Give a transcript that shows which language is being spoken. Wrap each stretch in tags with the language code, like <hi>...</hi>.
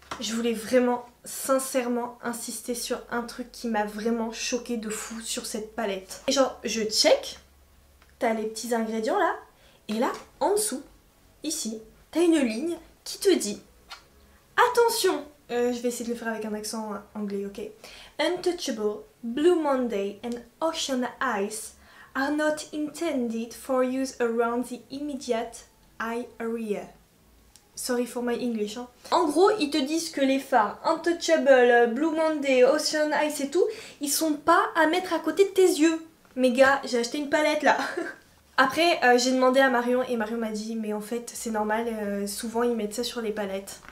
<fr>Je voulais vraiment, sincèrement, insister sur un truc qui m'a vraiment choqué de fou sur cette palette. Et genre, je check, t'as les petits ingrédients là. Et là, en dessous, ici, t'as une ligne... qui te dit, attention, je vais essayer de le faire avec un accent anglais, ok.</fr> <en>Untouchable, Blue Monday and Ocean Eyes are not intended for use around the immediate eye area. Sorry for my English. Hein.</en> <fr>En gros, ils te disent que les fards Untouchable, Blue Monday, Ocean Eyes et tout, ils sont pas à mettre à côté de tes yeux. Mais gars, j'ai acheté une palette là. Après, j'ai demandé à Marion et Marion m'a dit, mais en fait, c'est normal, souvent ils mettent ça sur les palettes.</fr>